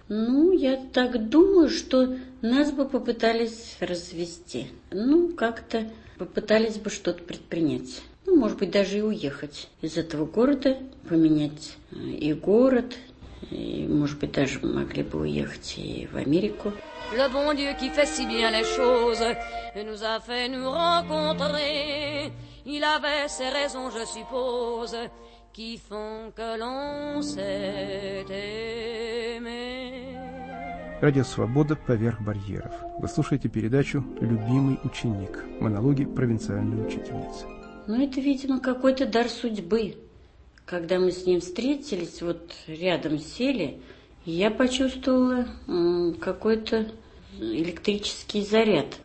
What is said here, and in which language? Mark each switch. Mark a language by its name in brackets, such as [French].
[Russian] Ну, я так думаю, что нас бы попытались развести. Ну, как-то попытались бы что-то предпринять. Ну, может быть, даже и уехать из этого города, поменять и город, и, может быть, даже могли бы уехать и в Америку. [French] Le bon Dieu qui fait si bien les choses nous a fait nous rencontrer. Il avait ses raisons, je suppose, qui font que l'on s'est aimé. [Russian] Радио «Свобода. Поверх барьеров». Вы слушаете передачу «Любимый ученик». Монологи провинциальной учительницы. Ну, это, видимо, какой-то дар судьбы. Когда мы с ним встретились, вот рядом сели, я почувствовала какой-то электрический заряд.